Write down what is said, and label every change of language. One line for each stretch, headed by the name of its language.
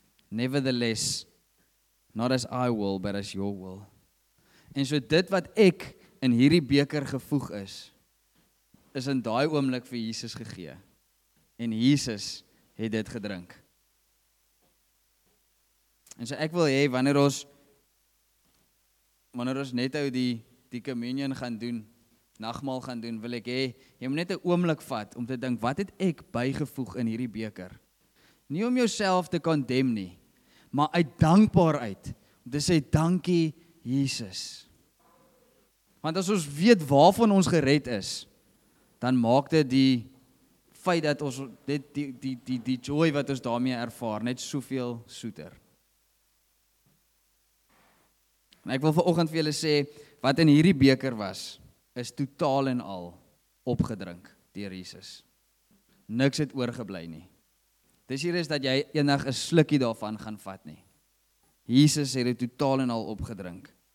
English: Nevertheless, not as I will, but as your will.
Afrikaans: En so dit wat ek in hierdie beker gevoeg is, is in daai oomblik vir Jesus gegee. En Jesus het dit gedrink. En so ek wil hê, wanneer ons nethou die communion gaan doen, nagmaal gaan doen, wil ek hê, jy moet net 'n oomblik vat om te dink, wat het ek bygevoeg in hierdie beker? Nie om jouself te condemn nie, maar uit dankbaarheid, om te sê, dankie Jesus. Want as ons weet waarvan ons gered is, dan maak dit die feit dat ons die joy wat ons daarmee ervaar, net soveel soeter. En ek wil vanoggend vir julle sê, wat in hierdie beker was, is totaal en al opgedrink deur Jesus. Niks het oorgebly nie. Dis hier is dat jy enig 'n slukkie daarvan gaan vat nie. Jesus het dit totaal en al opgedrink.